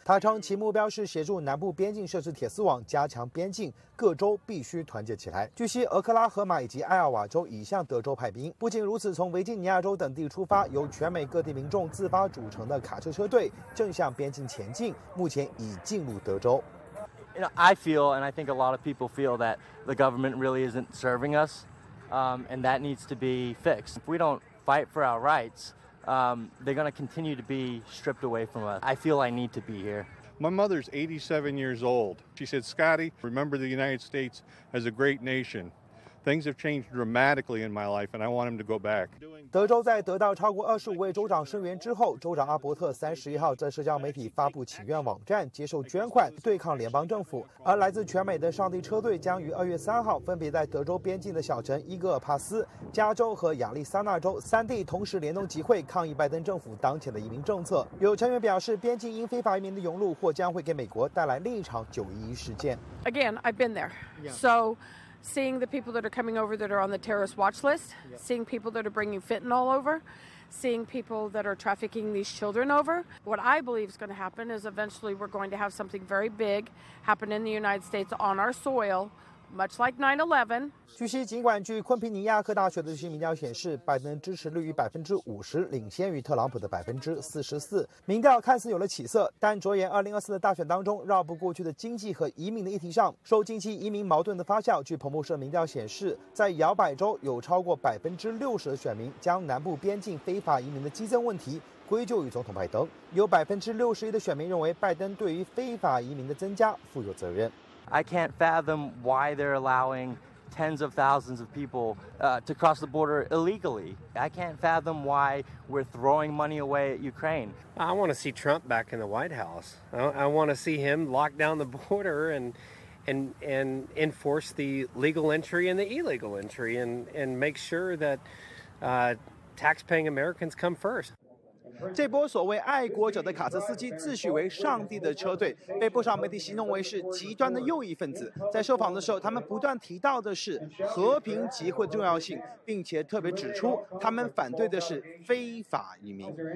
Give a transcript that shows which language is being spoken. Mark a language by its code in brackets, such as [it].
[zh] 他称其目标是协助南部边境设置铁丝网，加强边境，各州必须团结起来。据悉，俄克拉荷马以及爱奥瓦州已向德州派兵。不仅如此，从维吉尼亚州等地出发，由全美各地民众自发组成的卡车车队正向边境前进，目前已进入德州。 [en] You know, I feel, and I think a lot of people feel that the government really isn't serving us, and that needs to be fixed. If we don't fight for our rights, they're going to continue to be stripped away from us. I feel I need to be here. My mother's 87 years old. She said, Scotty, remember the United States as a great nation. Things have changed dramatically in my life, and I want him to go back. [zh] 德州在得到超过25位州长声援之后，州长阿伯特31号在社交媒体发布请愿网站，接受捐款对抗联邦政府。而来自全美的上帝车队将于2月3号分别在德州边境的小城伊戈尔帕斯、加州和亚利桑那州3地同时联动集会，抗议拜登政府当前的移民政策。有成员表示，边境因非法移民的涌入，或将会给美国带来另一场911事件。 [en] Again, I've been there, so. Seeing the people that are coming over that are on the terrorist watch list, seeing people that are bringing fentanyl over, seeing people that are trafficking these children over. What I believe is going to happen is eventually we're going to have something very big happen in the United States on our soil. Much like 9/11. [zh] 据悉，尽管据昆平尼亚克大学的最新民调显示，拜登支持率逾50%，领先于特朗普的44%，民调看似有了起色，但着眼2024的大选当中，绕不过去的经济和移民的议题上，受经济移民矛盾的发酵，据彭博社民调显示，在摇摆州有超过60%的选民将南部边境非法移民的激增问题。归咎于总统拜登，有61%的选民认为拜登对于非法移民的增加负有责任。 [en] I can't fathom why they're allowing tens of thousands of people to cross the border illegally. I can't fathom why we're throwing money away at Ukraine. I want to see Trump back in the White House. I want to see him lock down the border and enforce the legal entry and the illegal entry and make sure that taxpaying Americans come first. [zh] 这波所谓爱国者的卡车司机自诩为上帝的车队，被不少媒体形容为是极端的右翼分子。在受访的时候，他们不断提到的是和平集会的重要性，并且特别指出他们反对的是非法移民。